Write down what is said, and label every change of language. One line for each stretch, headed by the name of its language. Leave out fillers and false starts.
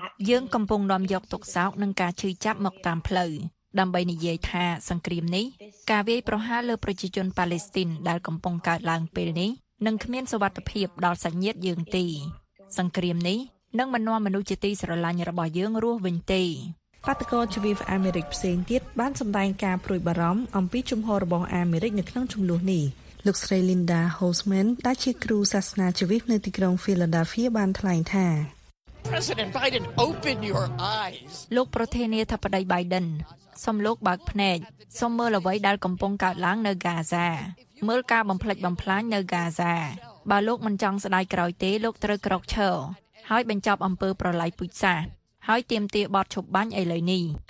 Khmer: យើងកំពុងនាំយកទុក្ខសោកនិងការឈឺចាប់មកតាមផ្លូវដើម្បីនិយាយថាសង្គ្រាមនេះការវាយប្រហារលើប្រជាជនប៉ាឡេស្ទីនដែលកំពុងកើតឡើងពេលនេះនឹងគ្មានសុវត្ថិភាពដល់សញ្ញាតយើងទីសង្គ្រាមនេះនឹងមិននាំមនុស្សជាទីស្រឡាញ់របស់យើងរស់វិញទេ បាតុករជីវិតអាមេរិកផ្សេងទៀតបានសម្ដែងការព្រួយបារម្ភអំពីជំហររបស់អាមេរិកនៅក្នុងចំនួននេះលោកស្រី Linda Holzman ដែលជាគ្រូសាសនាជីវិតនៅទីក្រុង Philadelphia បានថ្លែងថា
English: President Biden open your eyes
Khmer: លោកប្រធានាធិបតី Biden សូមលោកបើកភ្នែកសូមមើលអ្វីដែលកំពុងកើតឡើងនៅ Gaza មើលការបំផ្លិចបំផ្លាញនៅ Gaza បើលោកមិនចង់ស្ដាយក្រោយទេលោកត្រូវក្រោកឈរហើយបញ្ចប់អំពើប្រល័យពូជសាសន៍ហើយទៀមទាបត់ឈប់បាញ់ឥឡូវនេះ